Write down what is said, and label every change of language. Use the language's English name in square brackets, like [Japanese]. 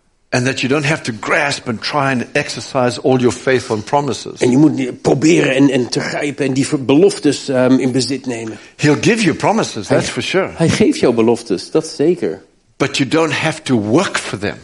[English] And that you don't have to grasp and try and exercise all your faith on promises. [Dutch] En je moet proberen en te grijpen en die beloftes in bezit nemen. [English] He'll give you promises, that's for sure. [Dutch] Hij geeft jou beloftes, dat zeker. [English] But you don't have to work for them.